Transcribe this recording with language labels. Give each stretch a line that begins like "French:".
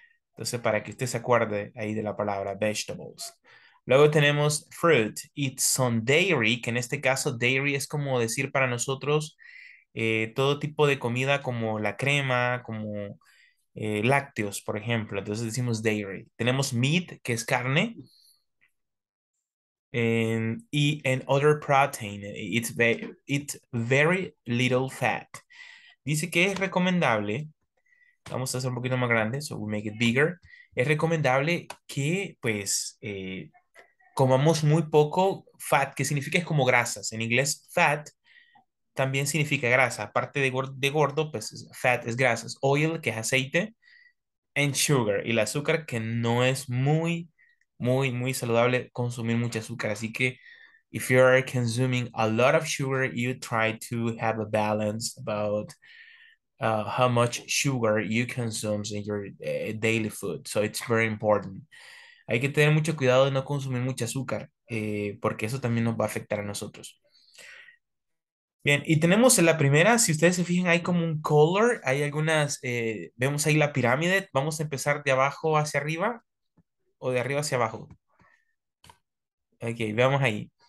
Spanish: Entonces, para que usted se acuerde ahí de la palabra vegetables. Luego tenemos fruit,
English: eat some dairy,
Spanish: que en este caso dairy es como decir para nosotros todo tipo de comida como la crema, como lácteos, por ejemplo. Entonces decimos dairy.
English: Tenemos meat,
Spanish: que es carne,
English: and other protein, it's very little fat.
Spanish: Dice que es recomendable, vamos a hacer un poquito más grande,
English: so we'll make it bigger,
Spanish: es recomendable que, pues, comamos muy poco fat, que significa es como grasas. En inglés, fat también significa grasa. Aparte de gordo, pues fat es grasas. Oil, que es aceite.
English: And sugar,
Spanish: y el azúcar, que no es muy, muy, muy saludable consumir mucho azúcar. Así que,
English: if you are consuming a lot of sugar, you try to have a balance about how much sugar you consume in your daily food. So it's very important.
Spanish: Hay que tener mucho cuidado de no consumir mucho azúcar, porque eso también nos va a afectar a nosotros. Bien, y tenemos en la primera, si ustedes se fijan, hay como un color, hay algunas, vemos ahí la pirámide, vamos a empezar de abajo hacia arriba, o de arriba hacia abajo. Ok, veamos ahí.